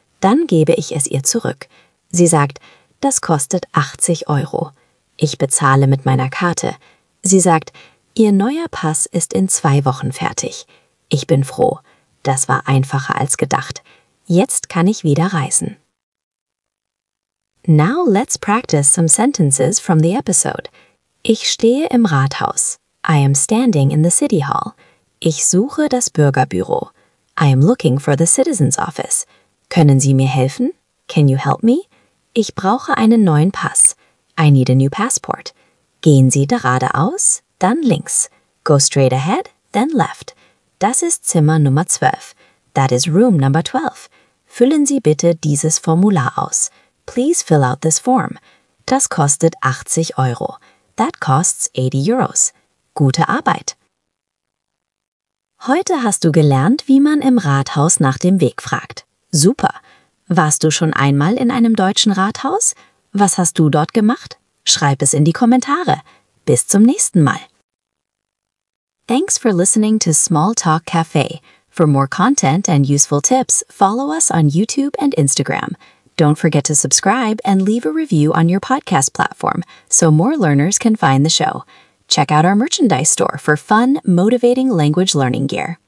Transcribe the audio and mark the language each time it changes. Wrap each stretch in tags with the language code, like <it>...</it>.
<de>Dann gebe ich es ihr zurück. Sie sagt, das kostet 80 Euro. Ich bezahle mit meiner Karte. Sie sagt, Ihr neuer Pass ist in 2 Wochen fertig. Ich bin froh. Das war einfacher als gedacht. Jetzt kann ich wieder reisen.</de> <en>Now let's practice some sentences from the episode.</en> <de>Ich stehe im Rathaus.</de> <en>I am standing in the city hall.</en> <de>Ich suche das Bürgerbüro.</de> <en>I am looking for the citizen's office.</en> <de>Können Sie mir helfen?</de> <en>Can you help me?</en> <de>Ich brauche einen neuen Pass.</de> <en>I need a new passport.</en> <de>Gehen Sie geradeaus, dann links.</de> <en>Go straight ahead, then left.</en> <de>Das ist Zimmer Nummer 12.</de> <en>That is room number 12.</en> <de>Füllen Sie bitte dieses Formular aus.</de> <en>Please fill out this form.</en> <de>Das kostet 80 Euro.</de> <en>That costs 80 euros.</en> <de>Gute Arbeit! Heute hast du gelernt, wie man im Rathaus nach dem Weg fragt. Super! Warst du schon einmal in einem deutschen Rathaus? Was hast du dort gemacht? Schreib es in die Kommentare. Bis zum nächsten Mal.</de> <en>Thanks for listening to Small Talk Cafe. For more content and useful tips, follow us on YouTube and Instagram. Don't forget to subscribe and leave a review on your podcast platform so more learners can find the show. Check out our merchandise store for fun, motivating language learning gear.</en>